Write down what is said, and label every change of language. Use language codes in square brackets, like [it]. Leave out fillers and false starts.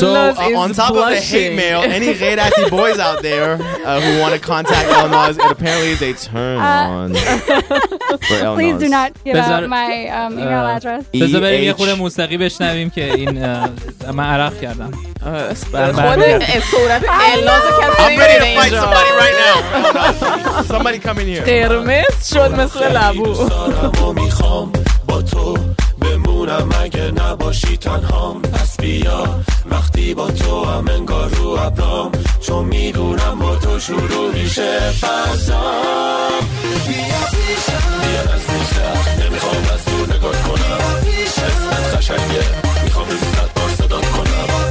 [en] So on top of the hate mail, any ghairati boys out there who want to contact Elnaz, it apparently is a turn on for Elnaz. Please do not give out my email address. [fa] بذار بریم یه خورده موسیقی بشنویم که این من عرق کردم. خود صورت Elnaz کسی [en] I'm ready to fight somebody right now. Somebody come in here. [fa] قرمز شد مثل لبو. با تو بمونم اگه نباشی تنهام، پس بیا وقتی با تو هم انگار رو ابرام، چون میدونم با تو شروع میشه فضام. بیا پیشم، بیا نزدیکتر، نمیخوام از دور نگاه کنم، اسمت خشنگه، میخوام روزت بار صدا کنم.